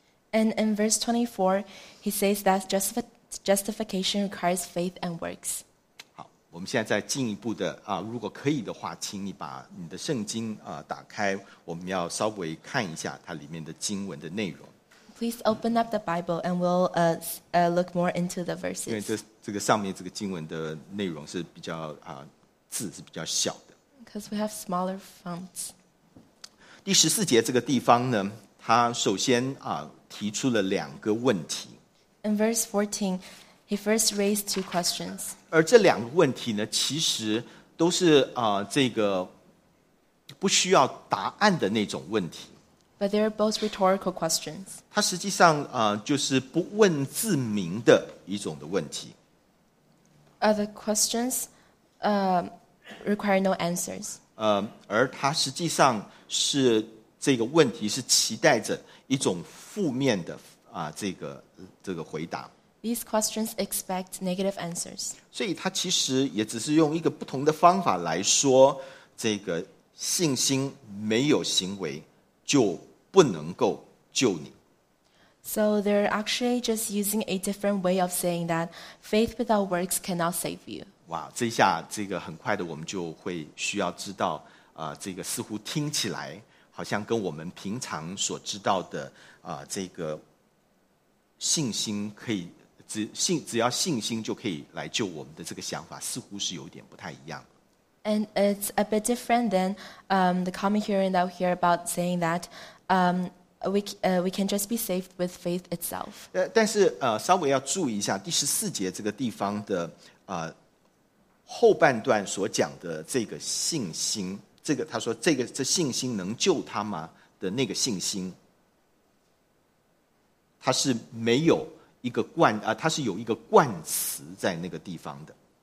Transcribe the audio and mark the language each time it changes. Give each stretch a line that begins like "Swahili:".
English: And in verse 24, he says that justification requires faith and works.
Chinese: 好，我们现在再进一步的如果可以的话，请你把你的圣经打开。我们要稍微看一下它里面的经文的内容。
English: Please open up the Bible and we'll look more into the verses.
Chinese: 因为这个上面这个经文的内容是比较字是比较小的。
English: Because we have smaller fonts.
Chinese: 第十四节这个地方呢，他首先提出了两个问题。
English: In verse 14, he first raised two questions.
Chinese: 而这两个问题呢，其实都是这个。不需要答案的那种问题。
English: But they are both rhetorical questions.
Chinese: 它实际上就是不问自明的一种的问题。
English: The questions require no answers.
Chinese: 而它实际上是这个问题是期待着一种负面的这个回答。
English: These questions expect negative answers.
Chinese: 所以它其实也只是用一个不同的方法来说这个。信心没有行为就不能够救你。
English: So they're actually just using a different way of saying that faith without works cannot save you.
Chinese: 哇，这下这个很快的我们就会需要知道这个似乎听起来好像跟我们平常所知道的这个信心可以 只要信心就可以来救我们的这个想法似乎是有点不太一样。
English: And it's a bit different than the common hearing that we hear about saying that we can just be saved with faith itself.
Chinese: 但是稍微要注意一下第十四节这个地方的后半段所讲的这个信心，这个他说这个这信心能救他吗的那个信心，他是没有一个冠他是有一个冠词在那个地方的。